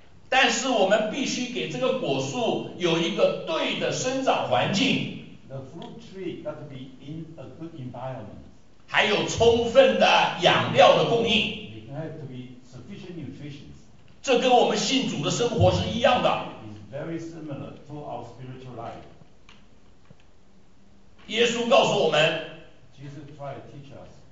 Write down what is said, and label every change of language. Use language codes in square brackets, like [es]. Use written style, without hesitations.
[zh] 但是我们必须给这个果树有一个对的生长环境 [en] The fruit tree got to be in a good environment. [zh] 还有充分的养料的供应 [en] It has to be sufficient nutrition. [zh] 这跟我们信主的生活是一样的 [en] It's very similar to our spiritual life. [zh] 耶稣告诉我们 [en] Jesus Christ teach us.